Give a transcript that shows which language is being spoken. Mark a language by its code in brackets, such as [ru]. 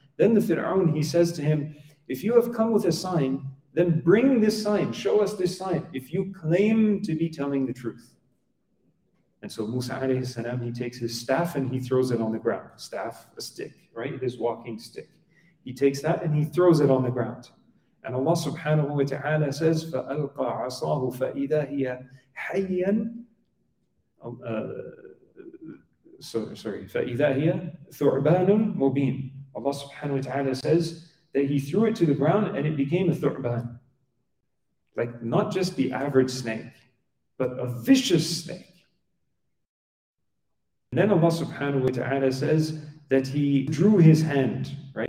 [en] Then the Fir'aun, he says to him, if you have come with a sign, then bring this sign, show us this sign, if you claim to be telling the truth. And so Musa alayhi salam, he takes his staff and he throws it on the ground. Staff, a stick, right? His walking stick. He takes that and he throws it on the ground. [ar] And Allah subhanahu wa ta'ala says, فَأَلْقَى عَصَاهُ فَإِذَا هِيَ حَيًّا فَإِذَا هِيَ ثُعْبَانٌ مُبِينٌ. [en] Allah subhanahu wa ta'ala says that he threw it to the ground and it became a thurban. Like not just the average snake, but a vicious snake. And then Allah subhanahu wa ta'ala says that he drew his hand, right?